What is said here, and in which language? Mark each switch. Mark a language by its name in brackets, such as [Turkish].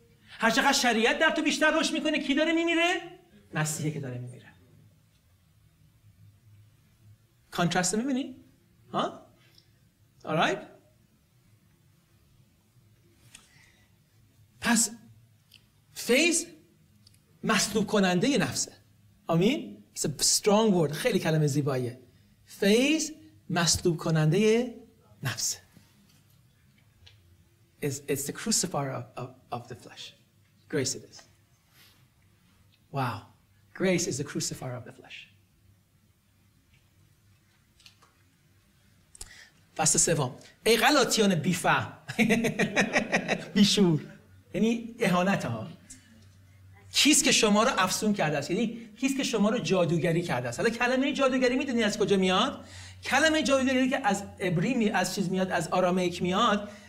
[Persian] هر چقدر شریعت در تو بیشتر روش میکنه، کی داره میمیره؟ مسیحی که داره میمیره. کانترست میبینی؟ ها؟ آرایت؟ پس فیض مسلوب کننده نفسه. آمین؟ [English] It's a strong word. [Persian] خیلی کلمه زیباییه. فیض مسلوب کننده نفسه. [English] It's the crucifier of the flesh. Grace it is. Wow. Grace is the crucifier of the flesh. [Persian] فصل سوم. ای غلاطیان بیفهم بیشور، یعنی اهانت ها، کیست که شما رو افسون کرده است؟ یعنی کیست که شما رو جادوگری کرده است؟ حالا کلمه جادوگری میدونی از کجا میاد؟ کلمه جادوگری که از عبری از چیز میاد، از آرامیک میاد،